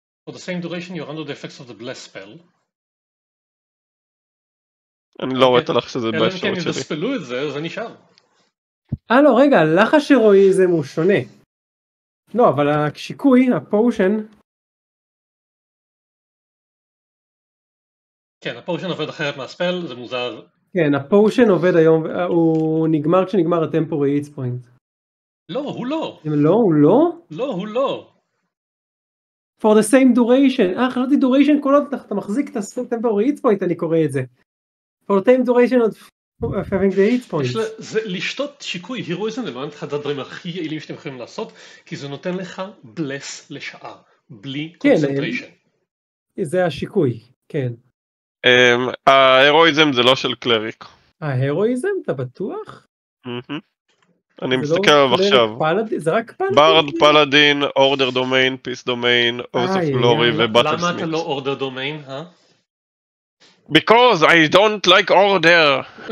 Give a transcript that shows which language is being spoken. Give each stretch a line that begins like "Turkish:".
English: For the same duration, you're under the effects of the bless spell.
Hebrew: אני לא רואה את הלחש הזה באפשרות שלי. אלא אם כן ידספלו את זה, זה נשאר. אה לא, רגע, הלחש הרואיזם הוא שונה. לא, אבל השיקוי, הפורשן... כן, הפורשן עובד אחרת מהספל, זה מוזר. כן, הפורשן עובד היום, הוא נגמר כשנגמר הטמפורי איץ פוינט. לא, הוא לא. לא, הוא לא? לא, הוא לא.
English: for the same duration,
Hebrew: חשבתי duration כל עוד אתה מחזיק את הטמפורי איץ פוינט, אני קורא את זה.
English: for the same duration of having the hit points.
Hebrew: זה לשתות שיקוי הירואיזם, זה באמת אחד הדברים הכי יעילים שאתם יכולים לעשות, כי זה נותן לך בלס לשעה, בלי קונצנטריישן. זה השיקוי, כן. ההרואיזם זה לא של קלריק. ההרואיזם? אתה בטוח? אני מסתכל עליו עכשיו. זה רק פלדין? ברד פלדין, אורדר דומיין, פיס דומיין, אוס אוף גלורי ובטל סמית. למה אתה לא אורדר דומיין, אה?
English: Because I don't like order.